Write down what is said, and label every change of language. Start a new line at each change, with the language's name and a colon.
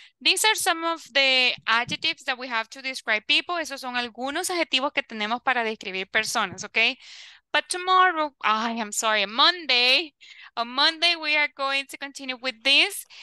English: These are some of the adjectives that we have to describe people.
Spanish: Esos son algunos adjetivos que tenemos para describir personas, okay?
English: But tomorrow, Monday, we are going to continue with this.